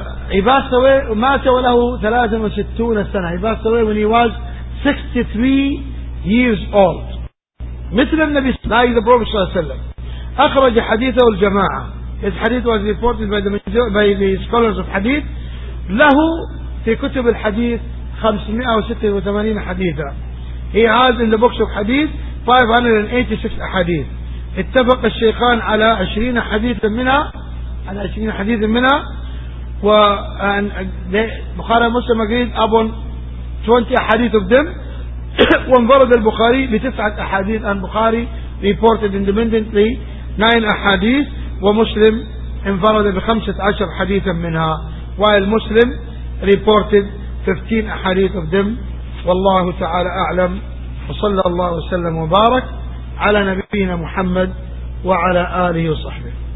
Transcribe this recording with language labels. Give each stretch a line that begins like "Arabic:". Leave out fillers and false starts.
English: He passed away,
Arabic: مات وله 63 سنة.
English: He passed away when he was 63 years old.
Arabic: مثل النبي صلى الله عليه وسلم. أخرج حديثه الجماعة.
English: His hadith was reported by the scholars of hadith.
Arabic: له في كتب الحديث 586 حديثا.
English: He has in the books of hadith 586 حديث.
Arabic: اتفق الشيخان على 20 حديثا منها. على 20 حديثا منها.
English: And Bukhari Muslim agreed upon 20 hadith of them.
Arabic: وانفرد البخاري بتسعة أحاديث.
English: And Bukhari reported independently 9 أحاديث.
Arabic: ومسلم انفرد بخمسة عشر حديثا منها.
English: While Muslim reported 15 أحاديث of them.
Arabic: والله تعالى أعلم. وصلى الله وسلم وبارك على نبينا محمد وعلى آله وصحبه.